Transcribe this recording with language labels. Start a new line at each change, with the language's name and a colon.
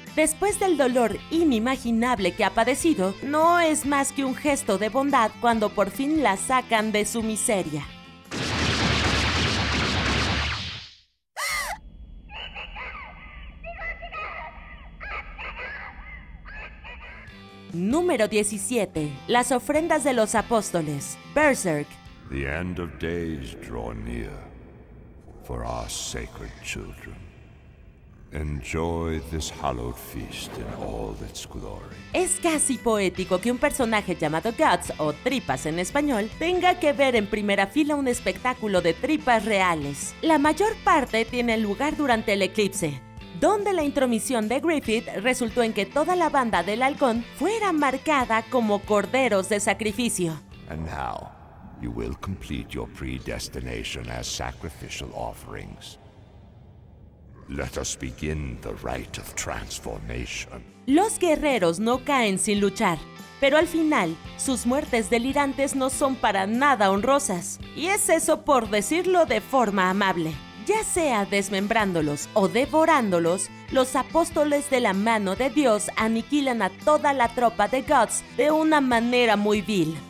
Spanish: Después del dolor inimaginable que ha padecido, no es más que un gesto de bondad cuando por fin la sacan de su miseria. Número 17. Las ofrendas de los apóstoles. Berserk.
English: The end of days draw near for our sacred children. Enjoy this hallowed feast in all its glory.
Spanish: Es casi poético que un personaje llamado Guts, o tripas en español, tenga que ver en primera fila un espectáculo de tripas reales. La mayor parte tiene lugar durante el eclipse, donde la intromisión de Griffith resultó en que toda la banda del halcón fuera marcada como corderos de sacrificio.
English: And now, you will complete your predestination as sacrificial offerings. Let us begin the rite of transformation.
Spanish: Los guerreros no caen sin luchar, pero al final, sus muertes delirantes no son para nada honrosas. Y es eso por decirlo de forma amable. Ya sea desmembrándolos o devorándolos, los apóstoles de la mano de Dios aniquilan a toda la tropa de Guts de una manera muy vil.